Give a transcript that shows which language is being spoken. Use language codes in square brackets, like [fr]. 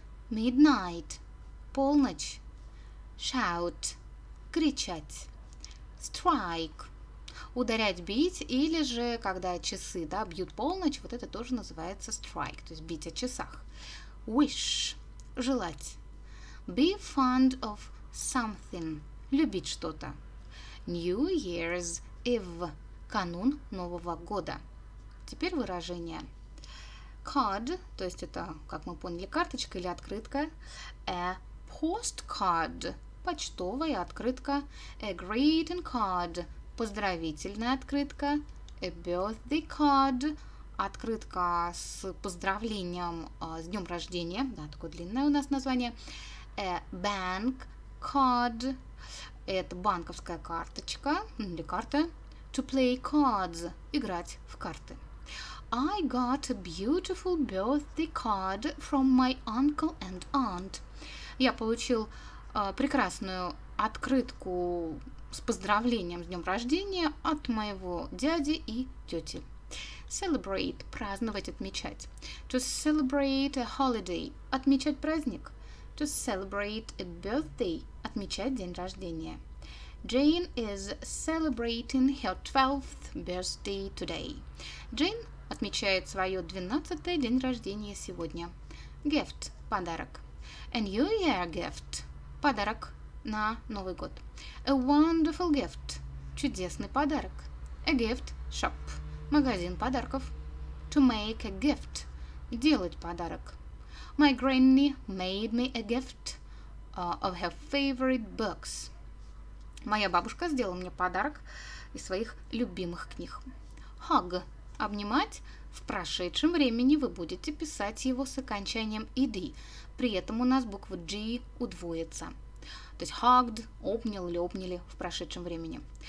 [ru] Midnight – полночь. Shout – кричать. Strike – ударять, бить, или же, когда часы, да, бьют полночь, вот это тоже называется strike, то есть бить о часах. Wish – желать. [en] Be fond of something – [ru] любить что-то. [en] New Year's Eve [ru] – канун Нового года. Теперь выражение. Card – то есть это, как мы поняли, карточка или открытка. [en] A postcard [ru] – почтовая открытка. [en] A greeting card [ru] – поздравительная открытка. [en] A birthday card [ru] – открытка с поздравлением, с днем рождения. Да, такое длинное у нас название. [en] A bank card [ru] – это банковская карточка или карта. [en] To play cards – [ru] играть в карты. [en] I got a beautiful birthday card from my uncle and aunt. [ru] Я получил прекрасную открытку с поздравлением с днем рождения от моего дяди и тети. Celebrate – праздновать, отмечать. [en] To celebrate a holiday – [ru] отмечать праздник. [en] To celebrate a birthday – [ru] отмечать день рождения. [en] Jane is celebrating her 12th birthday today. [ru] Jane отмечает свое 12-е день рождения сегодня. Gift – подарок. [en] A new year gift [ru] – подарок на Новый год. [en] A wonderful gift [ru] – чудесный подарок. [en] A gift shop [ru] – магазин подарков. [en] To make a gift – делать подарок. My granny made me a gift of her favorite books. [ru] Моя бабушка сделала мне подарок из своих любимых книг. Hug – обнимать. В прошедшем времени вы будете писать его с окончанием ed. При этом у нас буква G удвоится. То есть hugged, обнял или обняли в прошедшем времени.